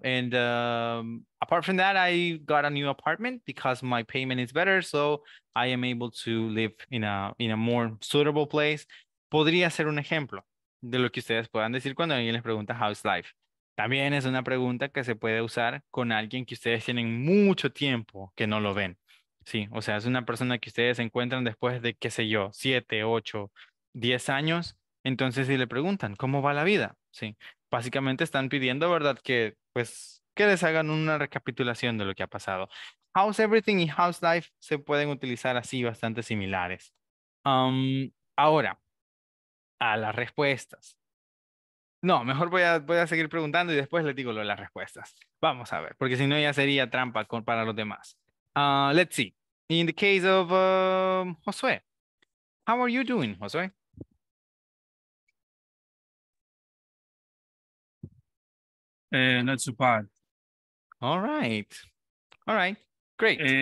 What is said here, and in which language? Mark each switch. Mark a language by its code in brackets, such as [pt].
[en] And apart from that, I got a new apartment because my payment is better. So I am able to live in a more suitable place. [es] Podría ser un ejemplo de lo que ustedes puedan decir cuando alguien les pregunta [en] how's life. [es] También es una pregunta que se puede usar con alguien que ustedes tienen mucho tiempo que no lo ven. Sí, o sea, es una persona que ustedes encuentran después de, qué sé yo, 7, 8, 10 años. Entonces, si le preguntan, ¿cómo va la vida? Sí, básicamente están pidiendo, ¿verdad? Que, pues, que les hagan una recapitulación de lo que ha pasado. [en] How's everything [es] y [en] how's life [es] se pueden utilizar así, bastante similares. Ahora, a las respuestas. No, mejor voy a seguir preguntando y después les digo lo de las respuestas. Vamos a ver, porque si no ya sería trampa para los demás. [en] Let's see. In the case of Josué, how are you doing, Josué? Not too bad. All right. All right. Great.